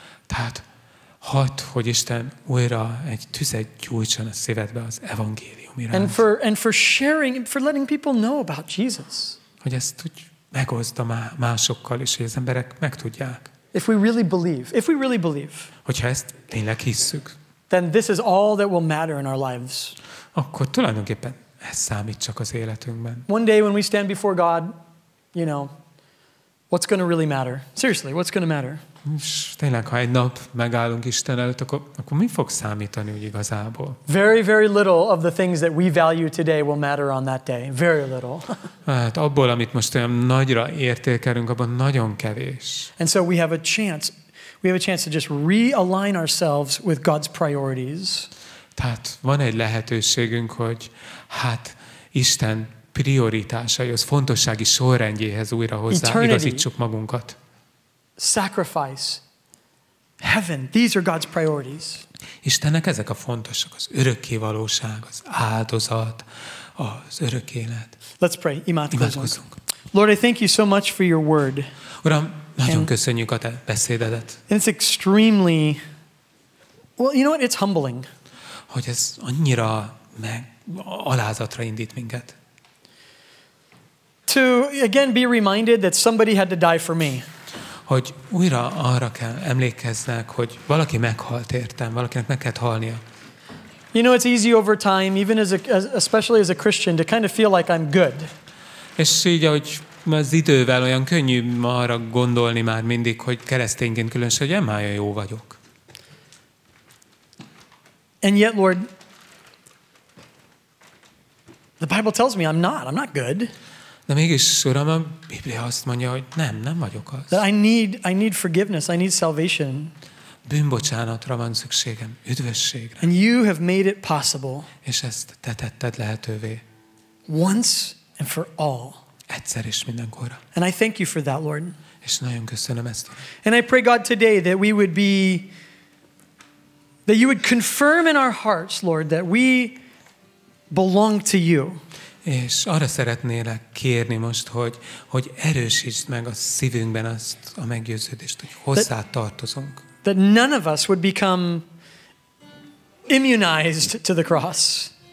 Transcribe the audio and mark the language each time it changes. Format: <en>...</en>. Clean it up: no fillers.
<hu>Tehát hadd, hogy Isten újra egy tüzet gyújtson a szívedbe az evangélium iránt.</hu> <en>And for sharing, for letting people know about Jesus.</en> <hu>Hogy ezt úgy megoszd a másokkal is, hogy az emberek megtudják.</hu> <en>If we really believe.</en> <hu>Hogyha ezt tényleg hisszük.</hu> <en>Then this is all that will matter in our lives.</en> <hu>Akkor tulajdonképpen ez számít csak az életünkben.</hu> <en>One day when we stand before God, you know, what's going to really matter? Seriously, what's going to matter?</en> <hu>És tényleg, ha egy nap megállunk Isten előtt, akkor mi fog számítani úgy igazából?</hu> <en>Very, very little of the things that we value today will matter on that day. Very little.</en> <hu>Hát abból, amit most olyan nagyra értékelünk, abban nagyon kevés.</hu> <en>And so we have a chance to just realign ourselves with God's priorities.</en> <hu>Tehát van egy lehetőségünk, hogy hát Isten prioritásaihoz, fontossági sorrendjéhez újra hozzáigazítsuk magunkat.</hu> <en>Sacrifice, heaven, these are God's priorities.</en> <hu>Istennek ezek a fontosak, az örökké valóság, az áldozat, az örök élet.</hu> <en>Let's pray.</en> <hu>Imádkozzunk.</hu> <en>Lord, I thank you so much for your word.</en> <hu>Uram, nagyon köszönjük a te beszédedet.</hu> <en>It's extremely, well, you know what, it's humbling.</en> <hu>Hogy ez annyira meg alázatra indít minket.</hu> <en>To again be reminded that somebody had to die for me.</en> <hu>Hogy újra arra kell emlékeznek, hogy valaki meghalt értem, valakinek meg kell halnia.</hu> <en>You know, it's easy over time, even especially as a Christian, to kind of feel like I'm good.</en> <hu>És így, hogy az idővel olyan könnyű arra gondolni már mindig, hogy keresztényként különösen, hogy már jó vagyok.</hu> <en>And yet, Lord, the Bible tells me I'm not good.</en> <hu>De mégis, Uram, a Biblia azt mondja, hogy nem vagyok az.</hu> <en>That I need forgiveness, I need salvation.</en> <hu>Bűnbocsánatra van szükségem, üdvösségre.</hu> <en>And you have made it possible.</en> <hu>És ezt te tetted lehetővé.</hu> <en>Once and for all.</en> <hu>Egyszer és mindenkorra.</hu> <en>And I thank you for that, Lord.</en> <hu>És nagyon köszönöm ezt.</hu> <en>And I pray, God, today that we would be, that you would confirm in our hearts, Lord, that we belong to you.</en> <hu>És arra szeretnélek kérni most, hogy erősítsd meg a szívünkben azt a meggyőződést, hogy hozzá tartozunk.</hu> <en>That none of us would become immunized to the cross.</en>